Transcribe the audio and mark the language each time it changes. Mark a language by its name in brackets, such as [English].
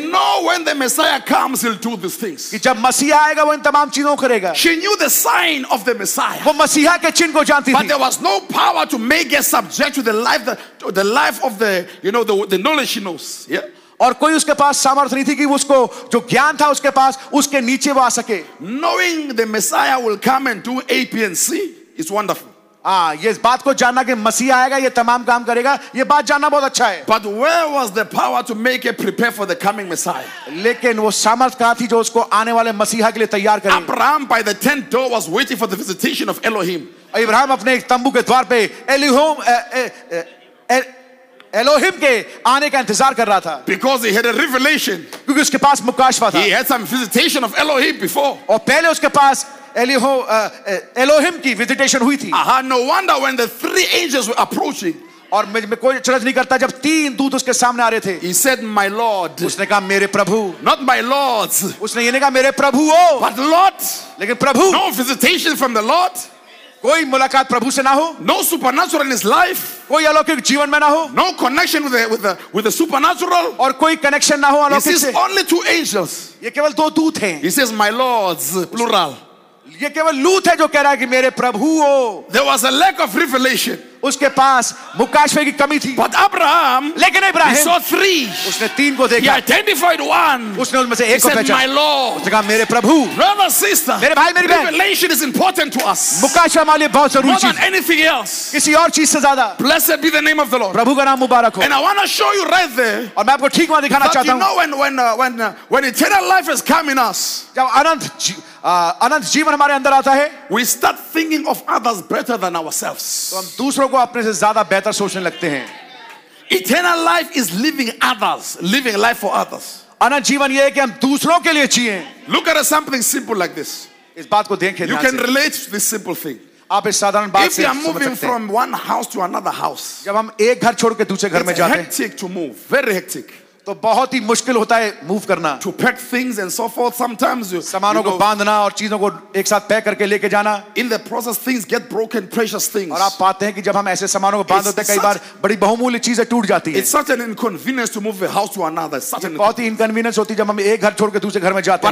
[English] we know when the Messiah comes, he'll do these things. [Hindi] कि जब मसीहा आएगा वो इन तमाम चीजों करेगा. [English] She knew the sign of the Messiah. [Hindi] वो मसीहा के चिन्ह को जानती थी. [English] But there was no power to make her subject to the life of the knowledge she knows. Yeah. [Hindi] और कोई उसके पास सामर्थ्य नहीं थी कि उसको जो ज्ञान था उसके पास उसके नीचे वो आ सके. [English] Knowing the Messiah will come and do A, B, and C is wonderful. [Hindi] ये इस बात को जानना कि मसीह आएगा ये तमाम काम करेगा ये बात जानना बहुत अच्छा है. [English] But where was the power to make a prepare for the coming Messiah? [Hindi] लेकिन वो सामर्थ्य कहाँ थी जो उसको आने वाले मसीहा के लिए तैयार करे? [English] Abraham by the tent door was waiting for the visitation of Elohim. [Hindi] Abraham अपने तंबू के द्वार पे Elohim के आने का इंतजार कर रहा था. [English] Because he had a revelation. [Hindi] क्योंकि उसके पास मुकाशवा था. [English] He had some visitation of Elohim before. [Hindi] और पहले उसके पास Elohim की visitation हुई थी. [English] Aha, no wonder when the three angels were approaching. [Hindi] और मैं कोई चर्च नहीं करता जब तीन दूत उसके सामने आ रहे थे. [English] He said, "My Lord." [Hindi] उसने कहा मेरे प्रभु. [English] Not my lords. [Hindi] उसने ये नहीं कहा मेरे प्रभु ओ. [English] But Lord. [Hindi] लेकिन प्रभु. [English] No visitation from the Lord. [Hindi] कोई मुलाकात प्रभु से ना हो. [English] No supernatural in his life. [Hindi] कोई अलौकिक जीवन में ना हो. [English] No connection with the supernatural. [Hindi] और कोई कनेक्शन ना हो अलौकिक से. [English] He says only two angels. [Hindi] ये केवल दो दूत हैं. [English] He says my lords plural. [Hindi] ये केवल लूत है जो कह रहा है कि मेरे प्रभु हो. [English] There was a lack of revelation. [Hindi] उसके पास मुकाशवे की कमी थी. [English] But Abraham, [Hindi] लेकिन इब्राहिम, [English] he saw three. [Hindi] उसने तीन को देखा. [English] He identified one. [Hindi] उसने उनमें से एक को पहचाना. [English] My Lord. [Hindi] उसने कहा मेरे प्रभु. [English] Brother, sister, [Hindi] मेरे भाई, मेरी बहन. [English] Revelation is important to us. [Hindi] मुकाशवे हमारे लिए बहुत जरूरी है. [English] More than anything else. [Hindi] किसी और चीज से ज़्यादा. [English] Blessed be the name of the Lord. [Hindi] प्रभु का नाम मुबारक हो. [English] And I want to show you right there. [Hindi] और मैं आपको ठीक वहाँ दिखाना चाहता हूँ. [English] You know when eternal life has come in us. [Hindi] जब अनंत जीवन हमारे अंदर आता है. [English] We start thinking of others better than ourselves. [Hindi] को अपने से ज्यादा बेहतर सोचने लगते हैं. [English] Eternal life is living others, living life for others. [Hindi] अनंत जीवन यह है कि हम दूसरों के लिए जिएं. [English] Look at something simple like this. [Hindi] इस बात को देखें. [English] You can relate to this simple thing. [Hindi] आप इस साधारण बात से [English] moving from one house to another house. [Hindi] जब हम एक घर छोड़कर दूसरे घर में जाते हैं. [English] Hectic to move, very hectic. [Hindi] तो बहुत ही मुश्किल होता है मूव करना. [English] To pack things and so forth, sometimes you, [Hindi] सामानों को बांधना और चीजों को एक साथ पैक करके लेके जाना. [English] In the process, things get broken, precious things. [Hindi] और आप पाते हैं कि जब हम ऐसे सामानों को बांध देते हैं कई बार बड़ी बहुमूल्य चीजें टूट जाती हैं. [English] It's such an inconvenience to move a house to another. [Hindi] बहुत ही इनकन्वीनियंस होती है जब हम एक घर छोड़कर दूसरे घर में जाते हैं.